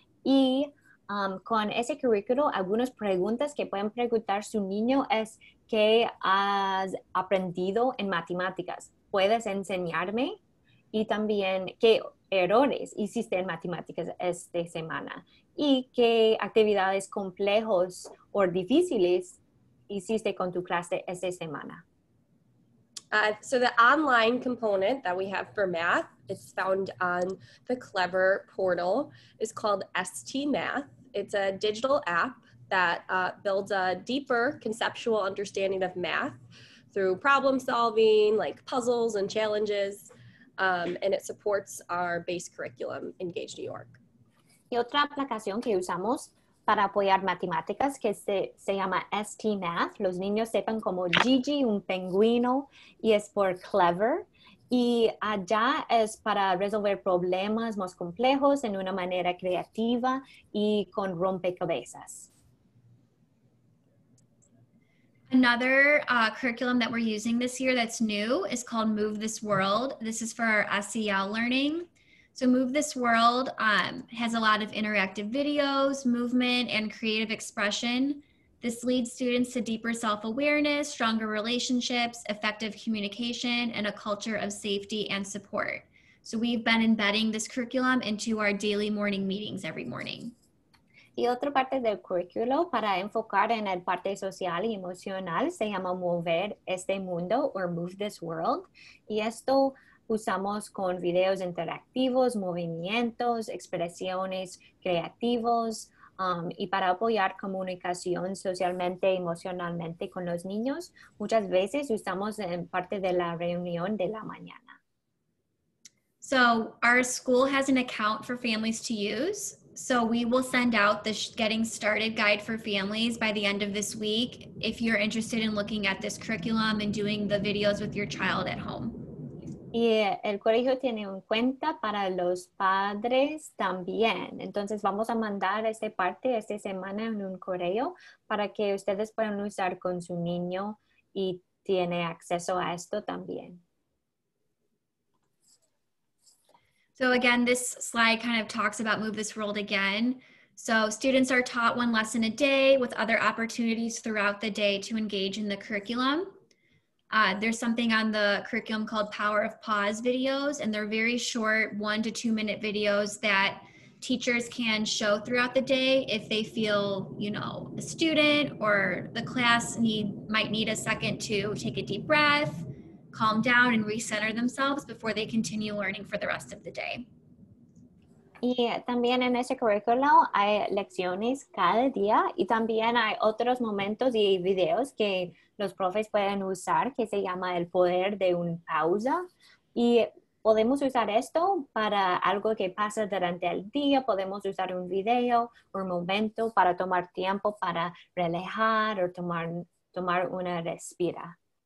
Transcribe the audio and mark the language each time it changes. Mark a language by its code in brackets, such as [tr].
[es] Y con ese currículo, algunas preguntas que pueden preguntar su niño es ¿qué has aprendido en matemáticas? ¿Puedes enseñarme? Y también, ¿qué errores hiciste en matemáticas esta semana? ¿Y qué actividades complejos o difíciles hiciste con tu clase esta semana? [en] So the online component that we have for math, it's found on the Clever portal, is called ST Math. It's a digital app that builds a deeper conceptual understanding of math through problem solving, like puzzles and challenges, and it supports our base curriculum, Engage New York. [es] Y otra aplicación que usamos para apoyar matemáticas que se llama ST Math. Los niños sepan como Gigi, un pingüino, y es por Clever. Y allá es para resolver problemas más complejos en una manera creativa y con rompecabezas. [en] Another curriculum that we're using this year that's new is called Move This World. This is for our SEL learning. So Move This World has a lot of interactive videos, movement, and creative expression. This leads students to deeper self-awareness, stronger relationships, effective communication, and a culture of safety and support. So we've been embedding this curriculum into our daily morning meetings every morning. [es] Y otra parte del currículo para enfocar en el parte social y emocional se llama Mover Este Mundo, or Move This World. Y esto usamos con videos interactivos, movimientos, expresiones creativos, y para apoyar comunicación socialmente, emocionalmente con los niños, muchas veces usamos en parte de la reunión de la mañana. [en] So our school has an account for families to use. So we will send out the Getting Started guide for families by the end of this week if you're interested in looking at this curriculum and doing the videos with your child at home. [es] Y el colegio tiene un cuenta para los padres también. Entonces vamos a mandar esta parte esta semana en un correo para que ustedes puedan usar con su niño y tiene acceso a esto también. [en] So again, this slide kind of talks about Move This World again. So students are taught one lesson a day with other opportunities throughout the day to engage in the curriculum. There's something on the curriculum called Power of Pause videos, and they're very short 1 to 2 minute videos that teachers can show throughout the day if they feel, you know, a student or the class might need a second to take a deep breath, calm down and recenter themselves before they continue learning for the rest of the day. [es] Y también en ese currículo hay lecciones cada día y también hay otros momentos y videos que los profes pueden usar que se llama el poder de una pausa y podemos usar esto para algo que pasa durante el día, podemos usar un video o un momento para tomar tiempo para relajar o tomar una respira.